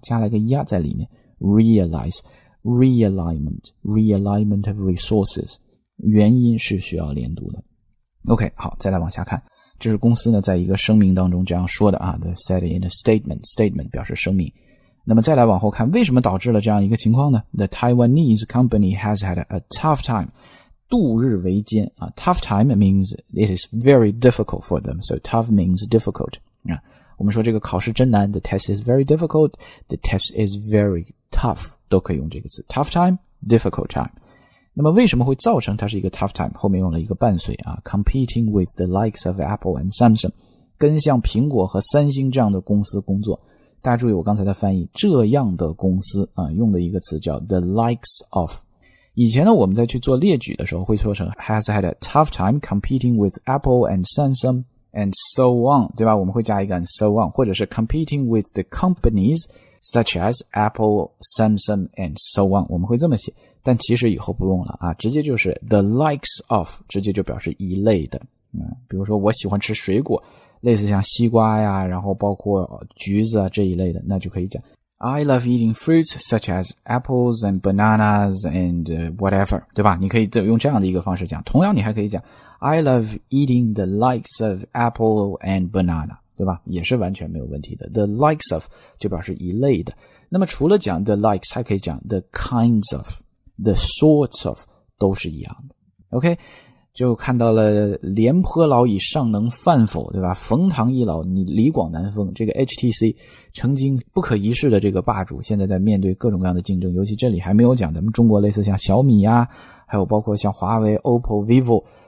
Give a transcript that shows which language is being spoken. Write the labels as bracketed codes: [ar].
[zh] 加了一个 ya 在里面， realize， realignment， realignment of resources， 原因是需要连读的。 OK， 好，再来往下看，这是公司呢在一个声明当中这样说的啊， [en] the said in a statement， [zh] statement 表示声明。那么再来往后看，为什么导致了这样一个情况呢？ [en] The Taiwanese company has had a tough time， [zh] 度日为艰啊。 [en] Tough time means it is very difficult for them， so tough means difficult、啊、 [zh] 我们说这个考试真难， [en] the test is very difficult， the test is very tough， 都可以用这个词， tough time， difficult time。 [zh] 那么为什么会造成它是一个 tough time， 后面用了一个伴随啊， [en] competing with the likes of Apple and Samsung， [zh] 跟像苹果和三星这样的公司工作。大家注意我刚才的翻译，这样的公司啊，用的一个词叫 the likes of。以前呢我们在去做列举的时候会说成 [en] has had a tough time competing with Apple and Samsung and so on， [zh] 对吧，我们会加一个 and so on， 或者是 [en] competing with the companiesSuch as Apple, Samsung, and so on， [zh] 我们会这么写，但其实以后不用了啊，直接就是 the likes of， 直接就表示一类的、嗯、比如说我喜欢吃水果，类似像西瓜呀，然后包括橘子啊这一类的，那就可以讲 [en] I love eating fruits such as apples and bananas and whatever， [zh] 对吧，你可以用这样的一个方式讲。同样你还可以讲 [en] I love eating the likes of apple and banana， [zh] 对吧，也是完全没有问题的。 The likes of 就表示一类的。那么除了讲 the likes， 还可以讲 the kinds of， the sorts of， 都是一样的。 OK， 就看到了廉颇老矣尚能饭否，对吧，冯唐易老你李广难封，这个 HTC 曾经不可一世的这个霸主，现在在面对各种各样的竞争，尤其这里还没有讲咱们中国类似像小米啊，还有包括像华为、 OPPO、 VIVO，